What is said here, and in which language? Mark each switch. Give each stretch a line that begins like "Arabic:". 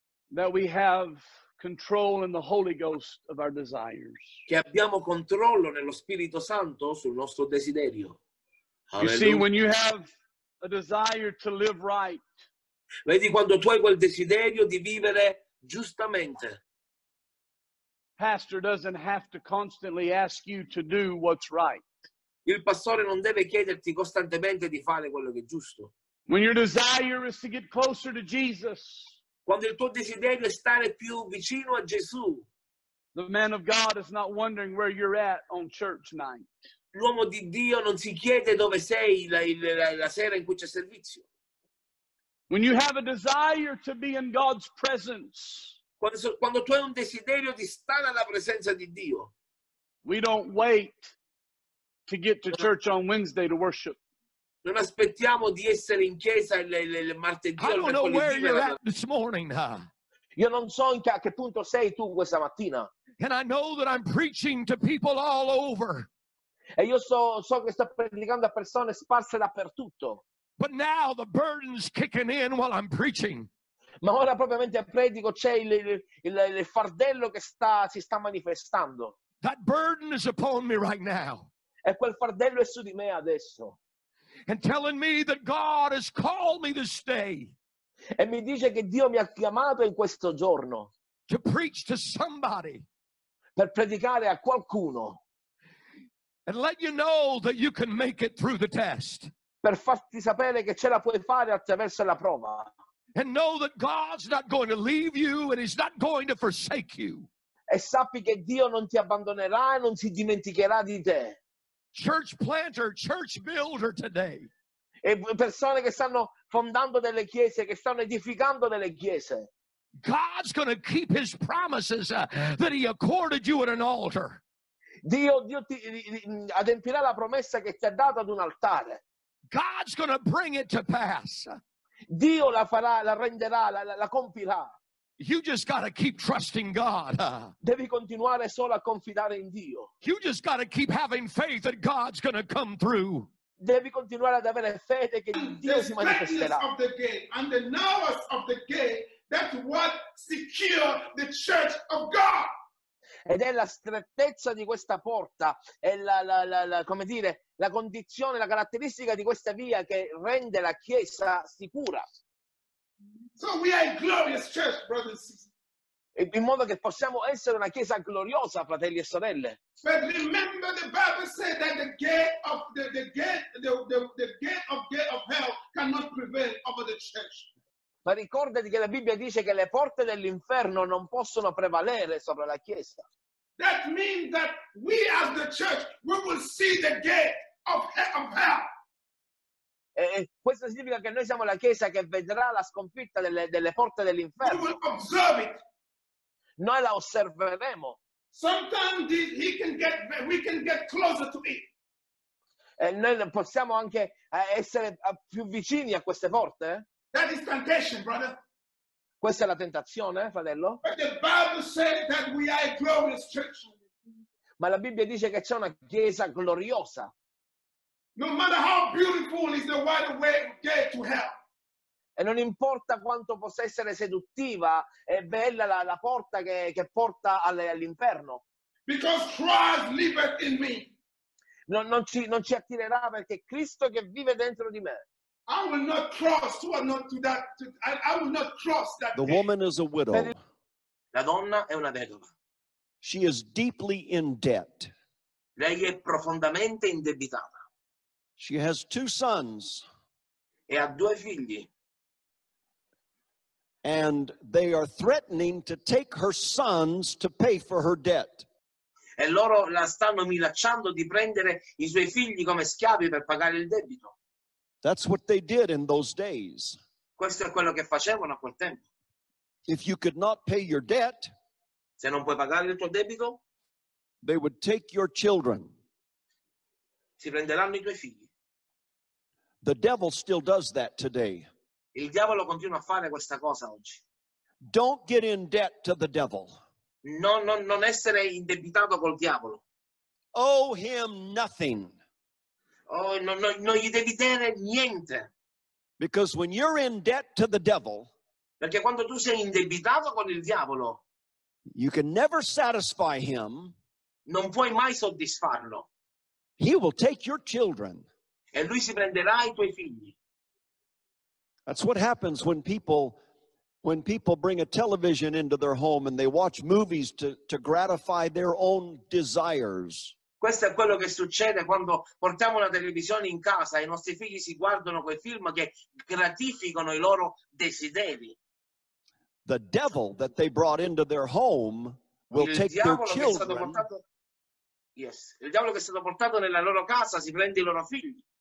English: that we have control in the Holy Ghost of our desires.
Italian: Che abbiamo controllo nello Spirito Santo sul nostro desiderio.
English: You see, when you have a desire to live right.
Italian: Vedi quando tu hai quel desiderio di vivere giustamente.
English: Pastor doesn't have to constantly ask you to do what's right.
Italian: Il pastore non deve chiederti costantemente di fare quello che è giusto.
English: When your desire is to get closer to Jesus.
Italian: Quando il tuo desiderio è stare più vicino a Gesù.
English: The man of God is not wondering where you're at on church night.
Italian: L'uomo di Dio non si chiede dove sei la sera in cui c'è servizio.
English: When you have a desire to be in God's presence.
Italian: Quando tu hai un desiderio di stare alla presenza di Dio.
English: We don't wait to get to church on Wednesday to worship.
Italian: Non aspettiamo di essere in chiesa il martedì.
English: I don't know where you're at this morning.
Italian: Io non so in che punto sei tu questa mattina.
English: And I know that I'm preaching to people all over.
Italian: E io so che sto predicando a persone sparse dappertutto.
English: But now the burden's kicking in while I'm preaching.
Italian: Ma ora propriamente a predico c'è il fardello che si sta manifestando.
English: That burden is upon me right now.
Italian: E quel fardello è su di me adesso.
English: And telling me that God has called me this day.
Italian: E mi dice che Dio mi ha chiamato in questo giorno.
English: To preach to somebody.
Italian: Per predicare a qualcuno.
English: And let you know that you can make it through the test.
Italian: Per farti sapere che ce la puoi fare attraverso la prova.
English: And know that God's not going to leave you and he's not going to forsake you.
Italian: E sappi che Dio non ti abbandonerà e non si dimenticherà di te.
English: Church planter, church builder today.
Italian: E persone che stanno fondando delle chiese, che stanno edificando delle chiese.
English: God's going to keep his promises that he accorded you at an altar.
Italian: Dio ti adempirà la promessa che ti ha dato ad un altare.
English: God's going to bring it to pass.
Italian: Dio la farà, la renderà, la compirà.
English: You just got to keep trusting God.
Italian: Devi continuare solo a confidare in Dio.
English: You just got to keep having faith that God's going to come through.
Italian: Devi continuare ad avere fede che Dio si manifesterà.
English: Of the gate and the narrowness of the gate, that's what secure the church of God.
Italian: Ed è la strettezza di questa porta e la come dire, la condizione, la caratteristica di questa via che rende la chiesa sicura.
English: So we are a glorious church, brothers and sisters.
Italian: In modo che possiamo essere una chiesa gloriosa, fratelli e sorelle.
English: But remember the Bible said that the gate of hell cannot prevail over the church.
Italian: Ma ricordati che la Bibbia dice che le porte dell'inferno non possono prevalere sopra la chiesa.
English: That means that we as the church we will see the gate of hell.
Italian: E questo significa che noi siamo la chiesa che vedrà la sconfitta delle porte dell'inferno.
English: We will observe it.
Italian: Noi la osserveremo.
English: Sometimes we can get closer to it.
Italian: E noi possiamo anche essere più vicini a queste porte.
English: That is temptation, brother.
Italian: Questa è la tentazione, fratello.
English: But the Bible said that we are a glorious church.
Italian: Ma la Bibbia dice che c'è una chiesa gloriosa.
English: No matter how beautiful is the wide way gate to hell.
Italian: E non importa quanto possa essere seduttiva e bella la porta che porta all'inferno.
English: Because Christ liveth in me.
Italian: Non ci attirerà perché Cristo che vive dentro di me.
English: I will not cross to another to that. To, I will not cross that. The woman is a widow.
Italian: La donna è una vedova.
English: She is deeply in debt.
Italian: Lei è profondamente indebitata.
English: She has two sons.
Italian: E ha due figli.
English: And they are threatening to take her sons to pay for her debt.
Italian: E loro la stanno minacciando di prendere i suoi figli come schiavi per pagare il debito.
English: That's what they did in those days.
Italian: Questo è quello che facevano a quel tempo.
English: If you could not pay your debt,
Italian: se non puoi pagare il tuo debito,
English: they would take your children.
Italian: Si prenderanno i tuoi figli.
English: The devil still does that today.
Italian: Il diavolo continua a fare questa cosa oggi.
English: Don't get in debt to the devil.
Italian: Non essere indebitato col diavolo.
English: Owe him nothing.
Italian: Oh, non gli devi dare niente.
English: Because when you're in debt to the devil,
Italian: perché quando tu sei indebitato con il diavolo,
English: You can never satisfy him.
Italian: Non puoi mai soddisfarlo.
English: He will take your children.
Italian: E lui si prenderà i tuoi figli.
English: That's what happens when people bring a television into their home and they watch movies to gratify their own desires.
Italian: Questo è quello che succede quando portiamo la televisione in casa e i nostri figli si guardano quei film che gratificano i loro desideri.
English: The devil that they brought into their home will take their children.
Italian: Il diavolo che è stato portato nella loro casa si prende i loro figli.